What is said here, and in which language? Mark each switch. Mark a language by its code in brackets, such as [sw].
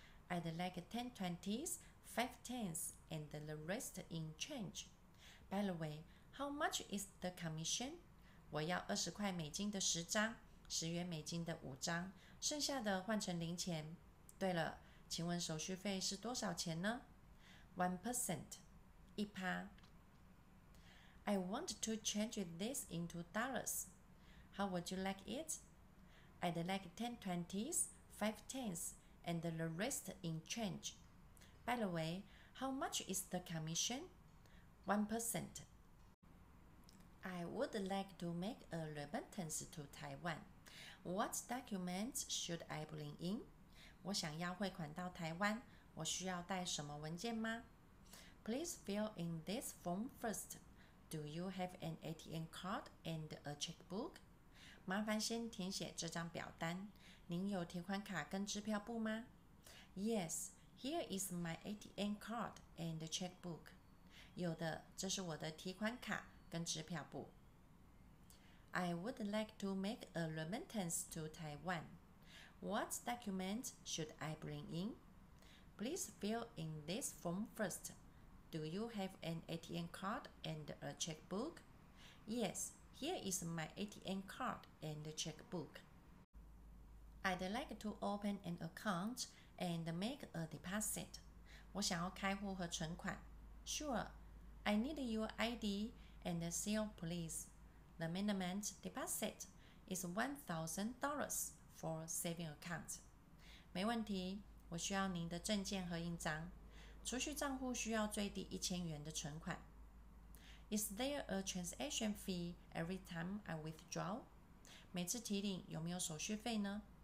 [en] I'd like 10 20s, 5 10s, and the rest in change. By the way, how much is the commission? [zh] 我要20块美金的10张。十元美金的五张，剩下的换成零钱。对了，请问手续费是多少钱呢？ [en] 1%， [zh] 一趴。 [en] I want to change this into dollars. How would you like it? I'd like 10 20s, 5 10s, and the rest in change. By the way, how much is the commission? 1%. I would like to make a remittance to Taiwan. What documents should I bring in? [zh] 我想要汇款到台湾，我需要带什么文件吗? [en] Please fill in this form first. Do you have an ATM card and a checkbook? [zh] 麻烦先填写这张表单。您有提款卡跟支票簿吗? [en] Yes, here is my ATM card and checkbook. [zh] 有的，这是我的提款卡跟支票簿。 [en] I would like to make a remittance to Taiwan. What documents should I bring in? Please fill in this form first. Do you have an ATM card and a checkbook? Yes, here is my ATM card and checkbook. I'd like to open an account and make a deposit. [zh] 我想要开户和存款。 [en] Sure, I need your ID and seal, please. The minimum deposit is $1,000 for saving account. [zh] 没问题，我需要您的证件和印章。储蓄账户需要最低1000元的存款。 [en] Is there a transaction fee every time I withdraw? [zh] 每次提领有没有手续费呢?